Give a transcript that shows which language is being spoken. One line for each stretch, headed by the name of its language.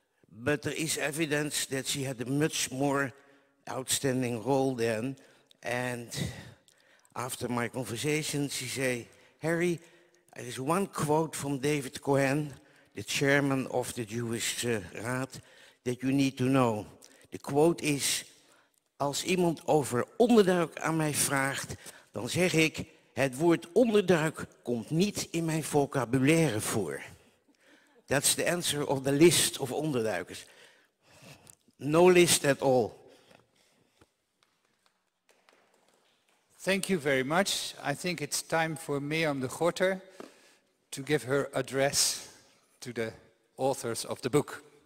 English: But there is evidence that she had a much more outstanding role then. And after my conversation, she said, Harry, there is one quote from David Cohen, the chairman of the Jewish Raad, that you need to know. The quote is,
Dutch: als iemand over onderduik aan mij vraagt, dan zeg ik, het woord onderduik komt niet in mijn vocabulaire voor.
English: That's the answer of the list of onderduikers. No list at all. Thank you very much. I think it's time for Mirjam de Gorter to give her address to the authors of the book.